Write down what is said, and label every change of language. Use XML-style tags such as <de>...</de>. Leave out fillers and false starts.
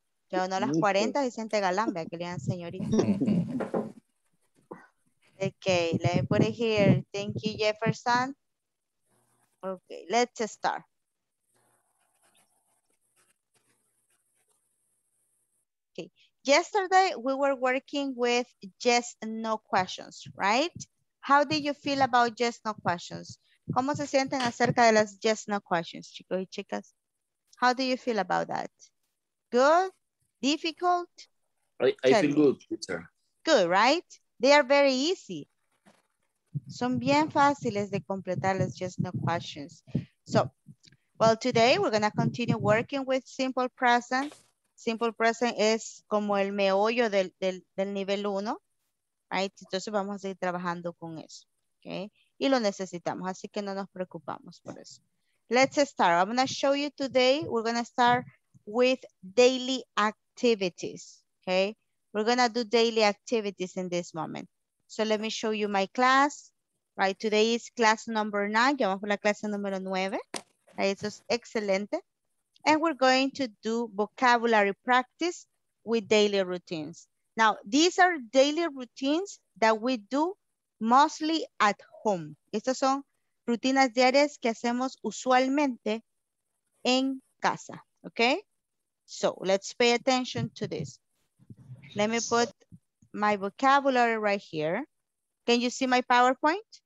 <es>Ya no las 40, Vicente Galán, vea que le dan señorita.</es> <en>Ok, let me put it here. Thank you, Jefferson. Okay, let's start. Okay, yesterday we were working with yes and no questions, right? How did you feel about yes no questions?</en> <es>¿Cómo se sienten acerca de las yes no questions, chicos y chicas?</es> <en>How do you feel about that? Good? Difficult? I feel good, teacher. Good, right? They are very easy.</en> <es>Son bien fáciles de completar las yes no questions.</es> <en>So, well, today we're going to continue working with simple present.</en> <es>Simple present es como el meollo del nivel 1.</es> <en>Right?</en> <es>Entonces vamos a seguir trabajando con eso. Okay? Y lo necesitamos, así que no nos preocupamos por eso.</es> <en>Let's start. I'm going to show you today. We're going to start with daily activities. Okay? We're going to do daily activities in this moment. So let me show you my class. Right? Today is class number 9.</en> <es>Ya vamos por la clase número 9.</es> <en>Right?</en> <es>Eso es excelente.</es> <en>And we're going to do vocabulary practice with daily routines. Now, these are daily routines that we do mostly at home.</en> <es>Estas son rutinas diarias que hacemos usualmente en casa.</es> <en>Okay? So, let's pay attention to this. Let me put my vocabulary right here. Can you see my PowerPoint?</en>